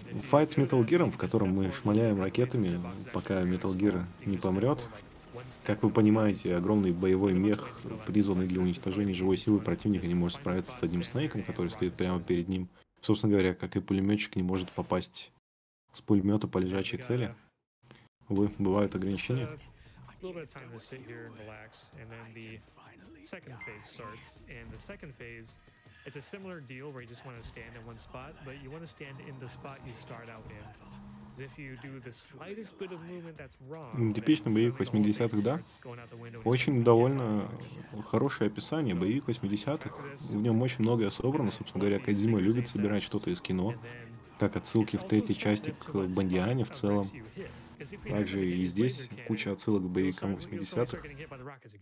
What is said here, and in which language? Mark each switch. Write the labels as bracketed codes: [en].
[ru] Файт с Metal Gear, в котором мы шмаляем ракетами, пока Metal Gear не помрет. Как вы понимаете, огромный боевой мех, призванный для уничтожения живой силы противника, не может справиться с одним Снейком, который стоит прямо перед ним. Собственно говоря, как и пулеметчик не может попасть с пулемета по лежачей цели. Увы, бывают ограничения. [en] A little bit of time to sit here and relax, and then the second phase starts. And the second phase, it's a similar deal where you just want to stand in one spot, but you want to stand in the spot you start out in. Because if you do the slightest bit of movement that's wrong, [ru] типичный боевик 80-х, да? Очень довольно хорошее описание боевик 80-х. В нем очень многое собрано. Собственно говоря, Кодзима любит собирать что-то из кино, как отсылки в третьей части к Бондиане в целом. Также и здесь куча отсылок к боевикам 80-х.